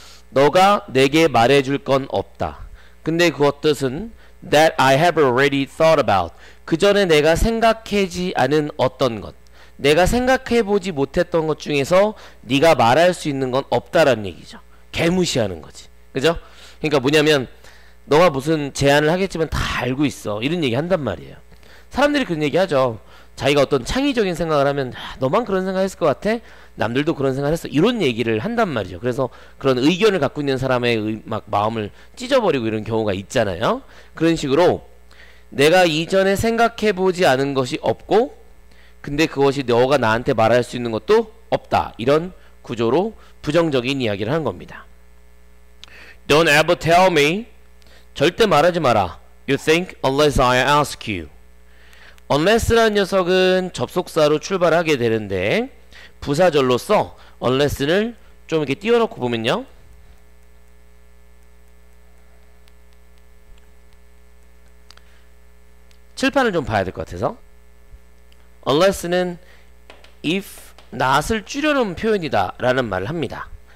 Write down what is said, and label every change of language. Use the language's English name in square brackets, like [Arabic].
[Korean] 너가 내게 말해줄 건 없다. 근데 그 뜻은 [English] that I have already thought about. [Korean] 그 전에 내가 생각하지 않은 어떤 것, 내가 생각해보지 못했던 것 중에서 네가 말할 수 있는 건 없다라는 얘기죠. 개무시하는 거지. 그죠? 그러니까 뭐냐면 너가 무슨 제안을 하겠지만 다 알고 있어. 이런 얘기 한단 말이에요. 사람들이 그런 얘기 하죠. 자기가 어떤 창의적인 생각을 하면 너만 그런 생각 했을 것 같아? 남들도 그런 생각 했어? 이런 얘기를 한단 말이죠. 그래서 그런 의견을 갖고 있는 사람의 막 마음을 찢어버리고 이런 경우가 있잖아요. 그런 식으로 내가 이전에 생각해보지 않은 것이 없고 근데 그것이 너가 나한테 말할 수 있는 것도 없다. 이런 구조로 부정적인 이야기를 하는 겁니다. [English] Don't ever tell me. [Korean] 절대 말하지 마라. [English] You think unless I ask you. [Korean] Unless라는 녀석은 접속사로 출발하게 되는데 부사절로서 unless를 좀 이렇게 띄워놓고 보면요. 칠판을 좀 봐야 될 것 같아서. Unless는 if not을 줄여놓은 표현이다 라는 말을 합니다.